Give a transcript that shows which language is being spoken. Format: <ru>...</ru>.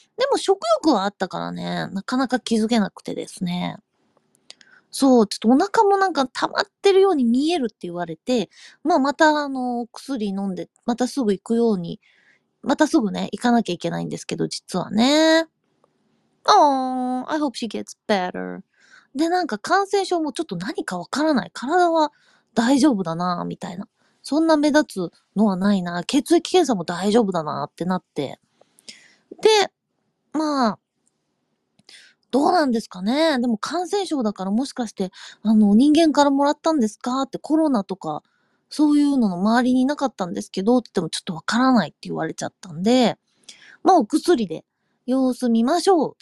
<ja>でも食欲はあったからね、なかなか気づけなくてですね。そう、ちょっとお腹もなんか溜まってるように見えるって言われて、まあまた薬飲んで、またすぐ行くように、またすぐね、行かなきゃいけないんですけど、実はね。</ja> <en>Oh, I hope she gets better.</en> <ja>で、なんか感染症もちょっと何かわからない。体は大丈夫だな、みたいな。そんな目立つのはないな。血液検査も大丈夫だな、ってなって。で、まあ、どうなんですかね。でも感染症だからもしかして、人間からもらったんですかって、コロナとか、そういうのの周りにいなかったんですけど、って言ってもちょっとわからないって言われちゃったんで、まあお薬で様子見ましょう。</ja>